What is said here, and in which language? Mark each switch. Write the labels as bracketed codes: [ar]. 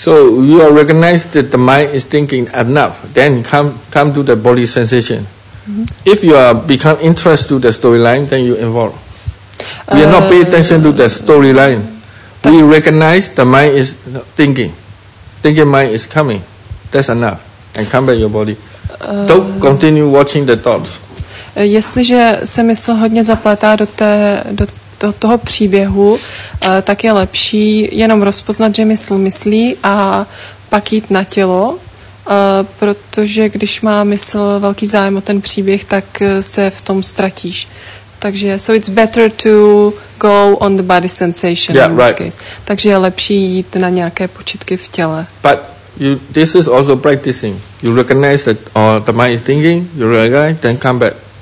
[en] So you are recognized that the mind is thinking enough, then come to the body sensation. Mm-hmm. If you are become interested to the storyline, then you involve. We are not pay attention to the storyline. We recognize the mind is thinking mind is coming, that's enough, and come back your body. Don't continue watching the thoughts. [cs] Jestliže se mysl hodně zaplétá do toho příběhu, tak je lepší jenom rozpoznat, že mysl myslí a pak jít na tělo, protože když má mysl velký zájem o ten příběh, tak se v tom ztratíš. Takže [en] so it's better to go on the body sensation. Yeah, right. Case. [cs] Takže je lepší jít na nějaké počitky v těle. [en] But this is also practicing. You recognize that the mind is thinking, you realize, then come back.